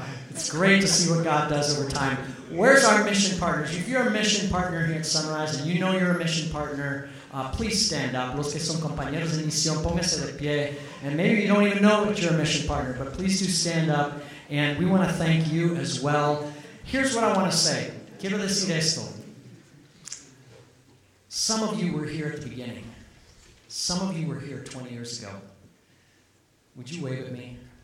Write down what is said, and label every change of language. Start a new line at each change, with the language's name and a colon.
English: It's great to see what God does over time. Where's our mission partners? If you're a mission partner here at Sunrise, and you know you're a mission partner, please stand up.
Spanish: Los que son compañeros de misión, pónganse de pie.
English: And maybe you don't even know that you're a mission partner, but please do stand up, and we want to thank you as well. Here's what I want to say.
Spanish: Quiero decir esto.
English: Some of you were here at the beginning. Some of you were here 20 years ago. Would you wave at me?